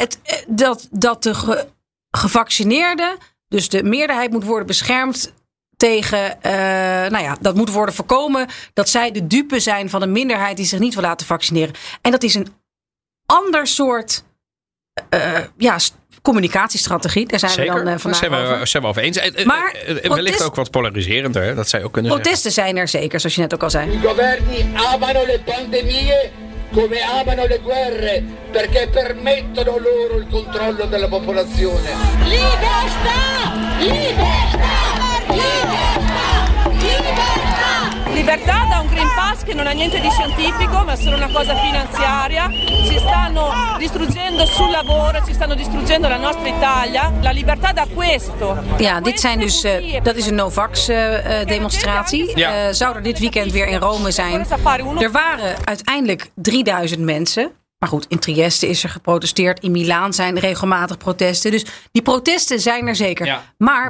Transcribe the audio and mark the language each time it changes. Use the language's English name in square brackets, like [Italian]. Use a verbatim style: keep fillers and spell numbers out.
[Dutch] het, eh, dat, dat de ge- gevaccineerden, dus de meerderheid moet worden beschermd tegen, eh, nou ja, dat moet worden voorkomen dat zij de dupe zijn van een minderheid die zich niet wil laten vaccineren. En dat is een ander soort eh, ja, s- communicatiestrategie. Daar zijn Zeker, we dan eh, daar vandaag zijn we, over. zijn we over eens. Eh, eh, Maar eh, eh, wellicht protest- ook wat polariserender, hè? Dat zou je ook kunnen zeggen. Protesten zijn er zeker, zoals je net ook al zei. [Italian] I governi amano le pandemie come amano le guerre perché permettono loro il controllo della popolazione. Libertà! Libertà! Libertà! Libertà! Libertà da un Green Pass che non ha niente di scientifico ma è solo una cosa finanziaria, ci stanno distruggendo sul lavoro, ci stanno distruggendo la nostra Italia, la libertà da questo. [Dutch] Ja, dit zijn dus, eh, dat is een Novax-demonstratie. Ja. Zou er dit weekend weer in Rome zijn? Er waren uiteindelijk drieduizend mensen. Maar goed, in Trieste is er geprotesteerd. In Milaan zijn regelmatig protesten. Dus die protesten zijn er zeker. Ja. Maar we